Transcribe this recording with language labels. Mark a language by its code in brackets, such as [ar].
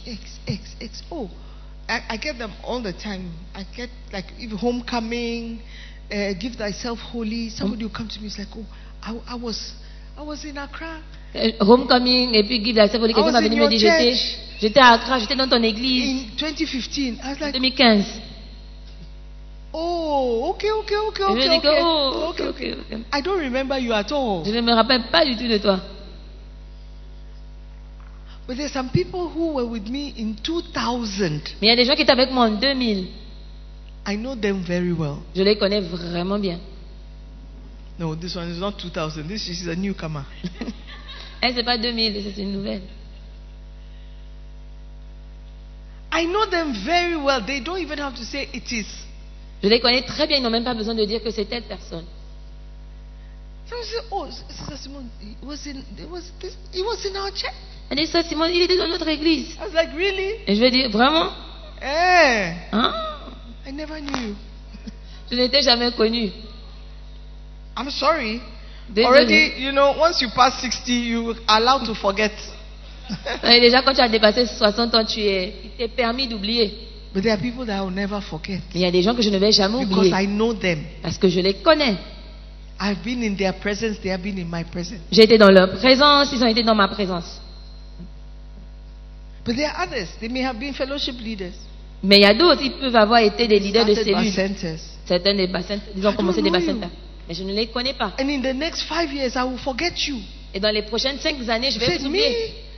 [en] X, X, X. Oh, I get them all the time. I get like if homecoming, give thyself holy. Somebody will come to me. It's like, oh, I was in Accra. [fr] Homecoming et puis give thyself holy. Quelqu'un va venir me dire, j'étais à Accra, j'étais dans ton église. [en] In 2015, I was like, [fr] 2015. [en] Oh, okay. I don't remember you at all. [fr] Je ne me rappelle pas du tout de toi. [en] But there's some people who were with me in 2000. [fr] Mais il y a des gens qui étaient avec moi en 2000. [en] I know them very well. Je les connais vraiment bien. No, this one is not 2000. This is a newcomer. [fr] Elle c'est pas 2000, c'est une nouvelle. [en] I know them very well. They don't even have to say it is. [fr] Je les connais très bien, ils n'ont même pas besoin de dire que c'est telle personne. [en] Oh, [fr] ça, Simon, il était dans notre église. [en] I was like, really? [fr] Et je lui ai dit, vraiment? [en] Hey, [fr] hein? [en] I never knew. [fr] Je n'étais jamais connu. [en] I'm sorry. Désolé. Already, you know, once you pass 60, you allowed to forget. [fr] Et déjà, quand tu as dépassé 60 ans, tu es, il t'est permis d'oublier. [en] But there are people that I will never forget. [fr] Il y a des gens que je ne vais jamais [en] because [fr] oublier. [en] I know them. [fr] Parce que je les connais. [en] I've been in their presence, they have been in my presence. [fr] J'ai été dans leur présence, ils ont été dans ma présence. [en] But there are others, they may have been fellowship leaders. [fr] Mais il y a d'autres, ils peuvent avoir été des leaders de cellules. [en] Centers. [fr] Certains des bassins, ils ont commencé des bassins. Mais je ne les connais pas. [en] And in the next 5 years, I will forget you. [fr] Et dans les prochaines 5 années, je vais vous oublier.